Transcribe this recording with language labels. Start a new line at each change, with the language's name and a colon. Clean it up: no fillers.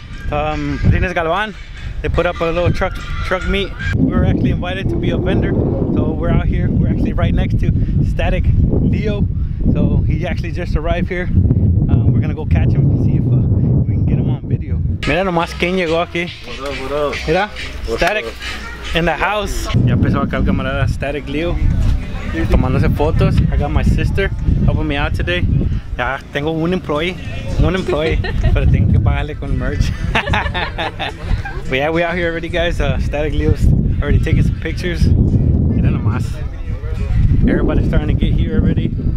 English: Dines Galvan, they put up a little truck meet. We were actually invited to be a vendor, so we're out here. We're actually right next to Static Leo, so he actually just arrived here. We're gonna go catch him and see if we can get him on video.
Spanish: Mira nomás quien llegó aquí.
English: What up, what up?
Spanish: Mira,
English: Static in the house.
Spanish: Ya empezó acá el camarada Static Leo tomándose fotos.
English: I got my sister helping me out today.
Spanish: Ya tengo un employee.
English: One employee, but I think you buy like on merch. But yeah, we out here already, guys. Static Leo's already taking some pictures. Everybody's starting to get here already.